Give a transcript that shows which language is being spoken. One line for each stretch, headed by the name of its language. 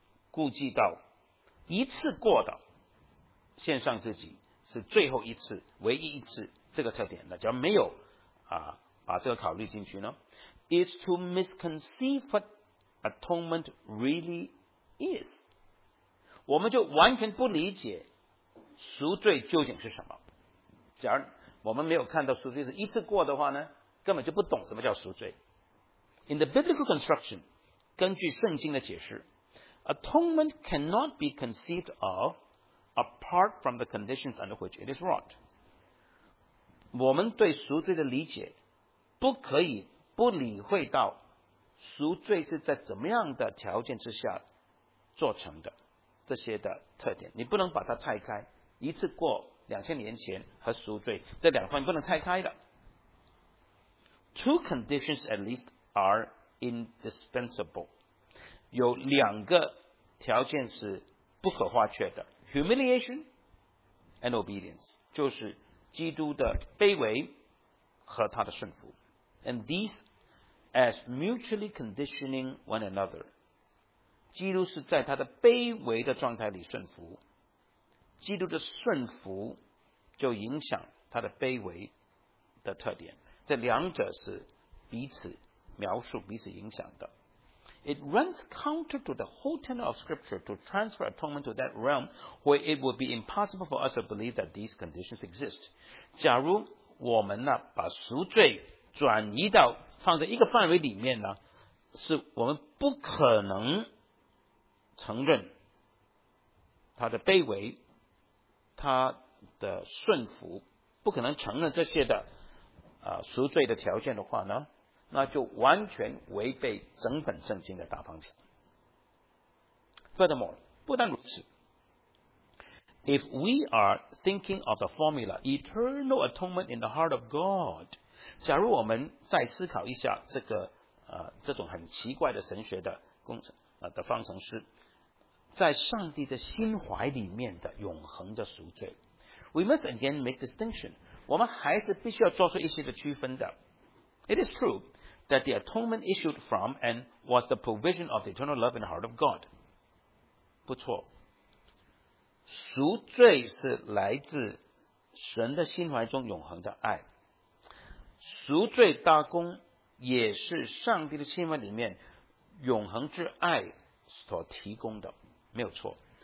Chinese: 顾忌到一次过的献上自己是最后一次、唯一一次这个特点的，假如没有啊把这个考虑进去呢 ，
English: is to misconceive what atonement really is，
Chinese: 我们就完全不理解赎罪究竟是什么。假如我们没有看到赎罪是一次过的话呢，根本就不懂什么叫赎罪。
English: In the biblical construction，
Chinese: 根据圣经的解释
English: ，atonement cannot be conceived of apart from the conditions under which it is wrought。
Chinese: 我们对赎罪的理解不可以不理会到赎罪是在怎么样的条件之下做成的这些的特点，你不能把它拆开。一次过两千年前和赎罪这两方不能拆开的。
English: Two conditions at least are indispensable，
Chinese: 有两个条件是不可或缺的 ：
English: humiliation and obedience，
Chinese: 就是基督的卑微和他的顺服。
English: And these as mutually conditioning one another，
Chinese: 基督是在他的卑微的状态里顺服。基督的顺服就影响他的卑微的特点，这两者是彼此描述、彼此影响的。
English: It runs counter to the whole tenor of Scripture to transfer atonement to that realm where it would be impossible for us to believe that these conditions exist。
Chinese: 假如我们呢把赎罪转移到放在一个范围里面呢，是我们不可能承认他的卑微。他的顺服不可能承认这些的赎罪的条件的话呢，那就完全违背整本圣经的大方向。
English: Furthermore，
Chinese: 不但如此，
English: If we are thinking of the formula eternal atonement in the heart of God，
Chinese: 假如我们再思考一下这个这种很奇怪的神学的工程的方程式，在上帝的心怀里面的永恒的赎罪，
English: We must again make distinction，
Chinese: 我们还是必须要做出一些的区分的。
English: It is true that the atonement issued from and was the provision of the eternal love in the heart of God，
Chinese: 不错，赎罪是来自神的心怀中永恒的爱，赎罪大功也是上帝的心怀里面永恒之爱所提供的，没有错。